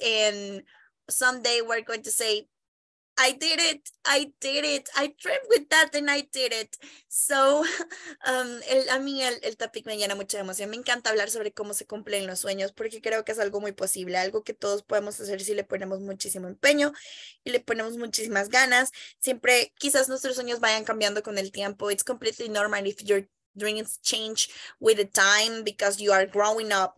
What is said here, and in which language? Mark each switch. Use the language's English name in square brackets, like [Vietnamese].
[English] And someday we're going to say, I did it, I dreamt with that and I did it. [Spanish] So a mí el topic me llena mucha emoción. Me encanta hablar sobre cómo se cumplen los sueños, porque creo que es algo muy posible, algo que todos podemos hacer si le ponemos muchísimo empeño y le ponemos muchísimas ganas. Siempre, quizás nuestros sueños vayan cambiando con el tiempo. [English] It's completely normal if your dreams change with the time, because you are growing up.